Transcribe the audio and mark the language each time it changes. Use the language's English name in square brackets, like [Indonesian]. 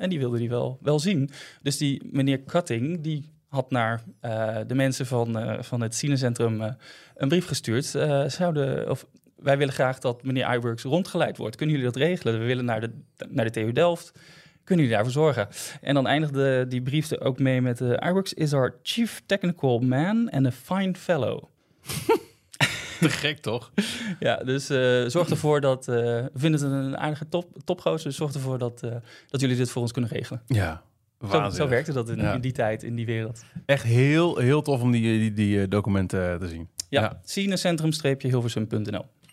[Dutch] En die wilde hij wel zien. Dus die meneer Cutting, die had naar de mensen van het Cinecentrum een brief gestuurd. Wij willen graag dat meneer Iwerks rondgeleid wordt. Kunnen jullie dat regelen? We willen naar de TU Delft. Kunnen jullie daarvoor zorgen? En dan eindigde die brief er ook mee met... [English] Iwerks is our chief technical man and a fine fellow. [Dutch] Te gek, toch? Ja, dus zorg ervoor dat... vind het een aardige topgozer. Zorg ervoor dat jullie dit voor ons kunnen regelen. Ja. Zo werkte dat in die tijd, in die wereld. Echt heel, heel tof om die documenten te zien. Ja, cinecentrum-hilversum.nl.